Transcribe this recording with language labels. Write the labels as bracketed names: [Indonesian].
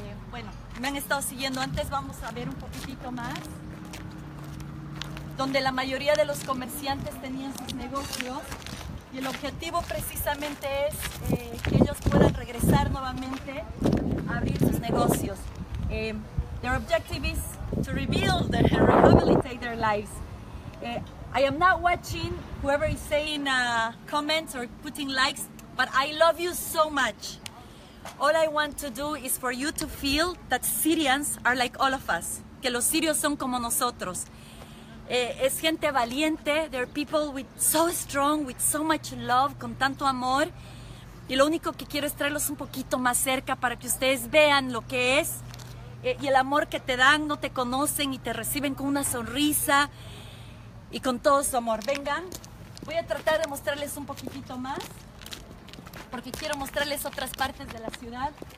[Spanish] Bueno, me han estado siguiendo. Antes vamos a ver un poquitito más. Donde la mayoría de los comerciantes tenían sus negocios. Y el objetivo precisamente es que ellos puedan regresar nuevamente a abrir sus negocios. [English] Their objective is to rebuild and rehabilitate their lives. I am not watching whoever is saying comments or putting likes, but I love you so much. All I want to do is for you to feel that Syrians are like all of us. [Spanish] Que los sirios son como nosotros. Es gente valiente, [English] they're people with so strong, with so much love, [Spanish] con tanto amor. Y lo único que quiero es traerlos un poquito más cerca para que ustedes vean lo que es. Y el amor que te dan, no te conocen y te reciben con una sonrisa y con todo su amor. Vengan, voy a tratar de mostrarles un poquitito más. Porque quiero mostrarles otras partes de la ciudad.